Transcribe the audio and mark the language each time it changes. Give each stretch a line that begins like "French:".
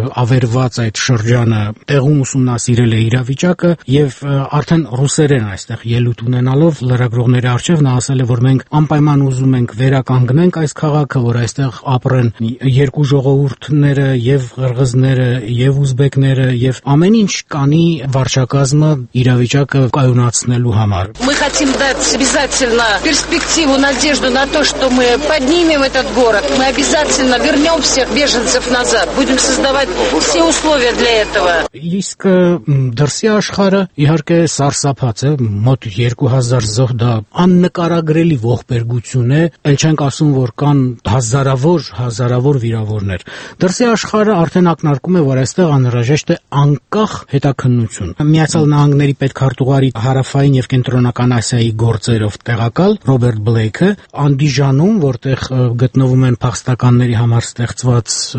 Armenian: ավերված այդ շրջանը, տեղում ուսումնասիրել է իրավիճակը եւ արդեն ռուսերեն այստեղ ելույթ ունենալով լրագրողների առջև նա ասել է, որ մենք անպայման ուզում ենք վերականգնենք այս քաղաքը, որ այստեղ ապրեն երկու ժողովուրդները եւ ղրղզները եւ ուզբեկները եւ ամեն ինչ կանի վարչակազմը իրավիճակը կայունացնելու համար։
Russian: Мы хотим дать обязательно перспективу, надежду на то, что мы поднимем этот город. Мы обязательно вернём всех беженцев назад. Будем создавать все условия для этого.
Armenian: Իսկ դրսի աշխարը իհարկե սարսափած է, մոտ 2000 զոհ, դա աննկարագրելի ողբերգություն է, այլ չենք ասում, որ կան հազարավոր վիրավորներ։ Դրսի աշխարը արդեն ակնարկում է, որ այստեղ անհրաժեշտ է անկախ հետաքննություն։ Միացյալ Նահանգների պետքարտուղարի հարավային եւ կենտրոնական Ասիայի գործերով տեղակալ Ռոբերտ Բլեյքը Անդիժանում, որտեղ գտնվում են փախստականների համար ստեղծված